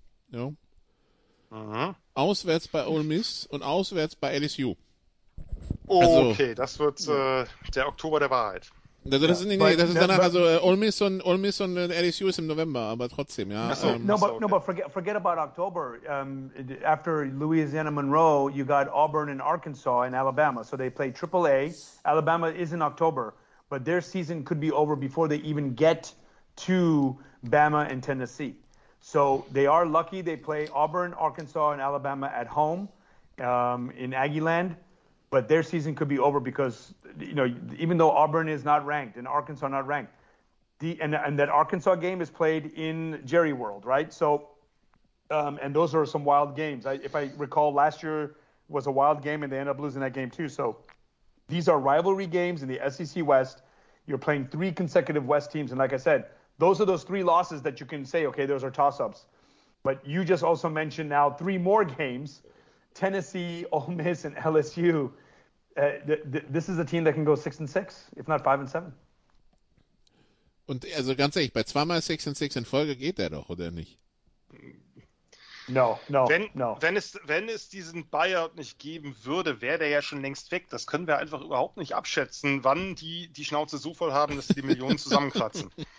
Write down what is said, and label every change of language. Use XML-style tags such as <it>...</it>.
<de>Ja. Aha. Auswärts bei Ole Miss und auswärts bei LSU. Der Oktober der Wahrheit. Also das ist, Ole Miss und LSU ist im November, aber trotzdem, ja.</de> <en>Forget about October. After Louisiana Monroe, you got Auburn and Arkansas and Alabama. So they play AAA. Alabama is in October, but their season could be over before they even get to Bama and Tennessee. So they are lucky they play Auburn, Arkansas, and Alabama at home in Aggieland. But their season could be over because, you know, even though Auburn is not ranked and Arkansas not ranked, and that Arkansas game is played in Jerry World, right? So, and those are some wild games. If I recall, last year was a wild game, and they ended up losing that game too. So these are rivalry games in the SEC West. You're playing three consecutive West teams. And like I said, those are those three losses that you can say, okay, those are toss-ups. But you just also mentioned now three more games, Tennessee, Ole Miss, and LSU. This is a team that can go 6-6, if not 5-7.</en> <de>Und also ganz ehrlich, bei zweimal 6-6 in Folge geht der doch, oder nicht?</de> <en>No.</en> <de>Wenn es diesen Buyout nicht geben würde, wäre der ja schon längst weg. Das können wir einfach überhaupt nicht abschätzen, wann die die Schnauze so voll haben, dass sie die Millionen zusammenkratzen.</de>